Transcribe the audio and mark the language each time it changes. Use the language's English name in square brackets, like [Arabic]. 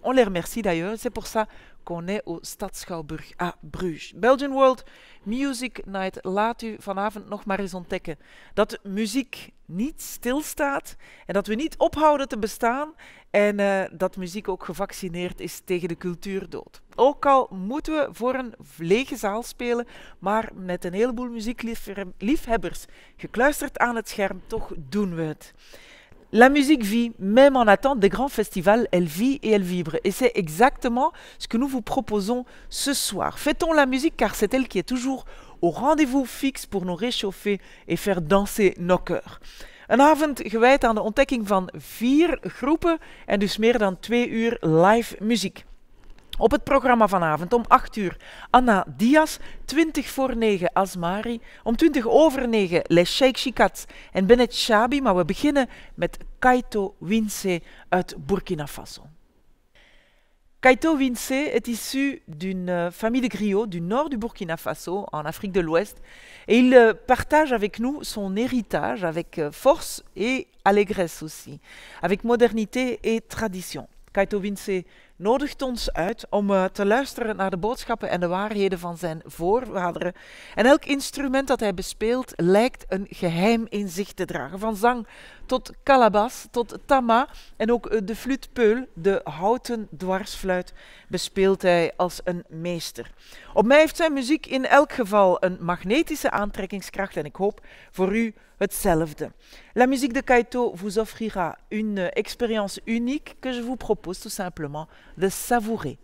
[French] On les remercie d'ailleurs, c'est pour ça qu'on est au Stadsschouwburg à Bruges. [Dutch] Belgian World Music Night, laat u vanavond nog maar eens ontdekken dat muziek niet stilstaat en dat we niet ophouden te bestaan en dat muziek ook gevaccineerd is tegen de cultuurdood. Ook al moeten we voor een lege zaal spelen, maar met een heleboel muziekliefhebbers gekluisterd aan het scherm, toch doen we het. [French] La musique vit, même en attente des grands festivals, elle vit et elle vibre. Et c'est exactement ce que nous vous proposons ce soir. Fêtons la musique car c'est elle qui est toujours au rendez-vous fixe pour nous réchauffer et faire danser nos cœurs. [Dutch] Een avond gewijd aan de ontdekking van vier groepen en dus meer dan twee uur live muziek. Op het programma vanavond om 8 uur Anna Diaz, 20 voor 9 Azmari, om 20 over 9 Les Sheiks Shikhats B’net Chaabi, maar we beginnen met Kaito Winse uit Burkina Faso. [French] Kaito Winse est issu d'une famille de griots du nord du Burkina Faso, en Afrique de l'Ouest, et il partage avec nous son héritage avec force et allégresse aussi, avec modernité et tradition. [Dutch] Kaito Winse nodigt ons uit om te luisteren naar de boodschappen en de waarheden van zijn voorvaderen. En elk instrument dat hij bespeelt lijkt een geheim in zich te dragen. Van zang tot kalabas, tot tama en ook de flûte peul, de houten dwarsfluit, bespeelt hij als een meester. Op mij heeft zijn muziek in elk geval een magnetische aantrekkingskracht en ik hoop voor u hetzelfde. [French] La musique de Kaito vous offrira une expérience unique que je vous propose tout simplement de savourer.